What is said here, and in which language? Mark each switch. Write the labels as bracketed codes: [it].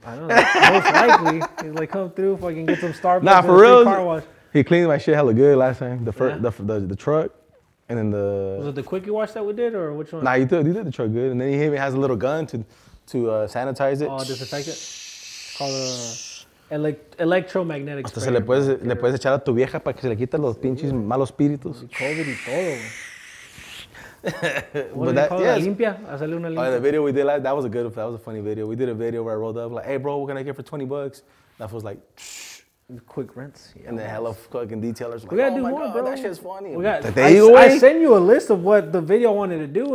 [en] I know. Most likely. He's like, come through if I can get some Starbucks. Nah, for real. Car wash. He cleaned my shit hella good last time. The truck. And then the... Was it the quickie wash that we did or which one? Nah, he did the truck good. And then he has a little gun to sanitize it. Oh, disinfect it? It's called a... electromagnetic spray. [es] Hasta le puedes echar a tu vieja para que se le quiten los pinches malos espíritus. COVID y todo. Limpia. [en] The video we did, that was a funny video. We did a video where I rolled up like, hey bro, what can I get for $20? That was like, quick rents. Yeah, and the hell of fucking detailers. Like, we gotta do more, bro. That shit's funny. I send you a list of what the video I wanted to do.